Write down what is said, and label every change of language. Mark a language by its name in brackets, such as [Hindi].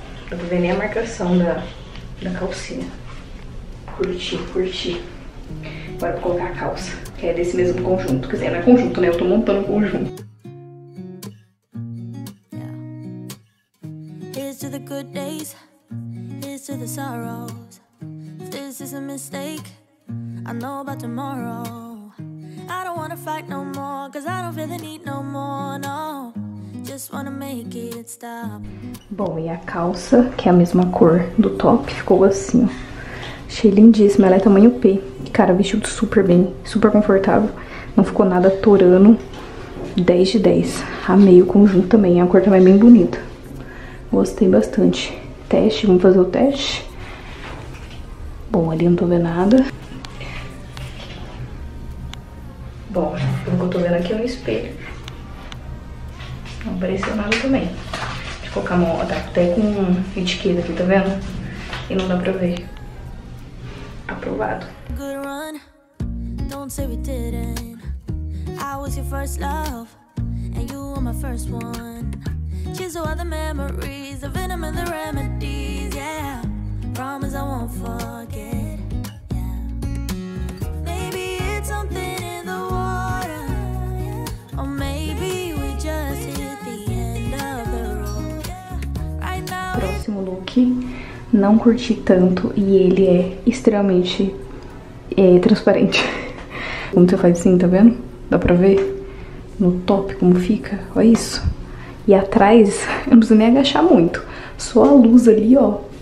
[Portuguese] Não tô vendo nem a marcação da calcinha. Curti, curti. Agora vou colocar a calça, que é desse mesmo conjunto. Quer dizer, não é conjunto, né? Eu tô montando o conjunto. [English] Here's to the good. this to the sorrows. If this is a mistake, I know about tomorrow. I don't wanna fight no more, cause I don't feel the need no more, no. Just wanna make it stop. [Portuguese] Bom, e a calça, que é a mesma cor do top, ficou assim, ó. Achei lindíssima, ela é tamanho P. Cara, vestido super bem, super confortável. Não ficou nada torando. 10 de 10. Amei o conjunto também, a cor também é bem bonita. Gostei bastante. Teste, vamos fazer o teste. Bom, ali não tô vendo nada. Bom, o que eu tô vendo aqui é um espelho. Não apareceu nada também. Deixa eu colocar a mão, tá até com etiqueta aqui, tá vendo? E não dá pra ver. Aprovado. [English] Good run. Don't say we didn't. I was your first love. And you were my first one. Chase all the memories, the venom and the remedies. Yeah. Promise I won't forget. Yeah. Maybe it's something in the water. Yeah. Or maybe we just hit the end of the road. Right now. [Portuguese] Próximo look. Não curti tanto e ele é extremamente transparente. Como você faz assim, tá vendo? Dá pra ver no top como fica? Olha isso. E atrás, eu não preciso nem agachar muito. Só a luz ali, ó.